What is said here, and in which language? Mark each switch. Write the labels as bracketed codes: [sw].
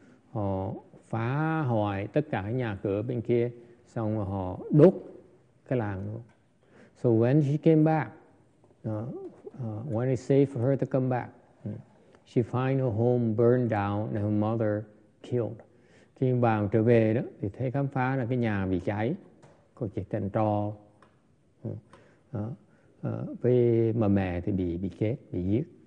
[vi] Họ phá hoại tất cả nhà cửa bên kia, xong rồi họ đốt cái làng luôn. [en] So when she came back, when it's safe for her to come back, she find her home burned down and her mother killed. [vi] Khi bà trở về đó, thì thấy khám phá là cái nhà bị cháy, có chiếc đèn trò, với mà mẹ thì bị chết, bị giết.